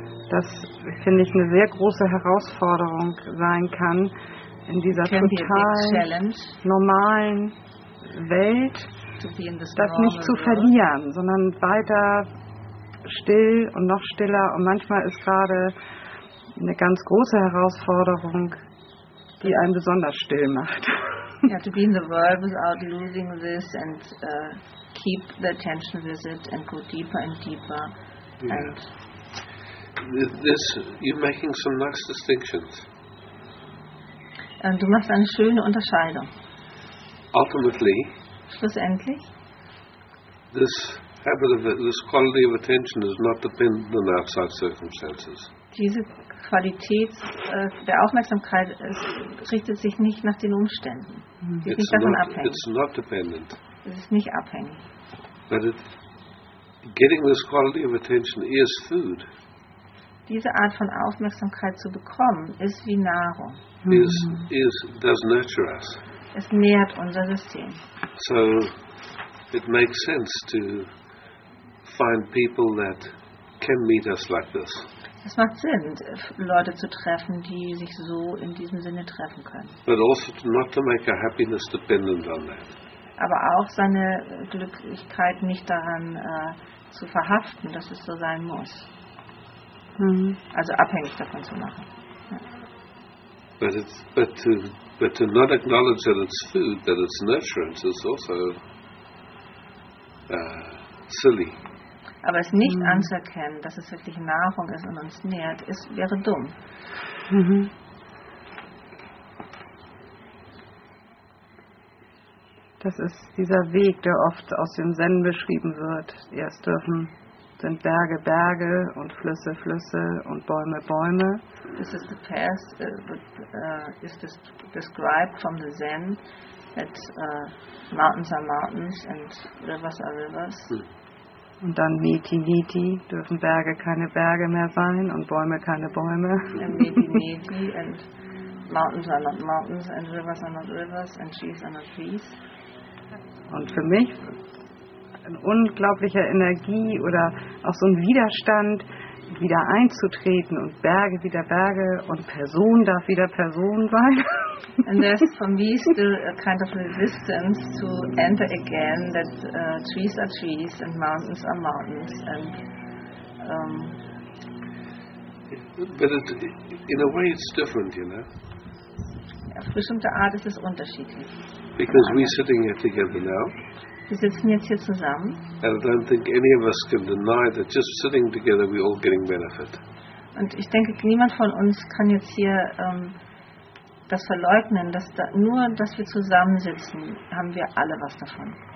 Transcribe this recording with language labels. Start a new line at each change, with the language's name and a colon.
German: das finde ich eine sehr große Herausforderung sein kann, in dieser total normalen Welt das nicht zu verlieren, sondern weiter still und noch stiller. Und manchmal ist gerade eine ganz große Herausforderung, die einen besonders still macht.
English: Yeah, to be in the world without losing this and keep the attention with it and go deeper and deeper. Yeah. And this, you're making some nice distinctions.
German: Du machst eine schöne Unterscheidung.
English: Ultimately,
German: schlussendlich,
English: this habit of this quality of attention is not dependent on outside circumstances.
German: Diese Qualität der Aufmerksamkeit richtet sich nicht nach den Umständen.
English: It's not dependent.
German: Es ist nicht abhängig.
English: But getting this quality of attention is food.
German: Diese Art von Aufmerksamkeit zu bekommen, ist wie Nahrung.
English: Does nurture us.
German: Es nährt unser System.
English: So, it makes sense to find people that can meet us like this.
German: Es macht Sinn, Leute zu treffen, die sich so in diesem Sinne treffen können.
English: But also not to make our happiness dependent on that.
German: Aber auch seine Glücklichkeit nicht daran zu verhaften, dass es so sein muss. Also abhängig davon zu machen. Ja.
English: But to not acknowledge that it's food, that it's nurturance, is also silly.
German: Aber es nicht anzuerkennen, dass es wirklich Nahrung ist und uns nährt, wäre dumm. Das ist dieser Weg, der oft aus dem Zen beschrieben wird. Erst dürfen sind Berge, Berge und Flüsse, Flüsse und Bäume, Bäume.
English: This is the path that is described from the Zen, that mountains are mountains and rivers are rivers.
German: Und dann Niti, Niti, dürfen Berge keine Berge mehr sein und Bäume keine Bäume.
English: And Niti, Niti, and mountains are not mountains and rivers are not rivers and trees are not trees.
German: Und für mich eine unglaubliche Energie oder auch so ein Widerstand, wieder einzutreten und Berge wieder Berge und Person darf wieder Person sein.
English: And there's for me still a kind of resistance to enter again that trees are trees and mountains are mountains and But it, in a way it's different, you know.
German: Auf bestimmte Art ist es unterschiedlich.
English: Because we're sitting here together now.
German: Wir sitzen jetzt hier zusammen.
English: And I don't think any of us can deny that just sitting together we're all getting benefit.
German: Und ich denke, niemand von uns kann jetzt hier das verleugnen, dass da, nur dass wir zusammensitzen, haben wir alle was davon.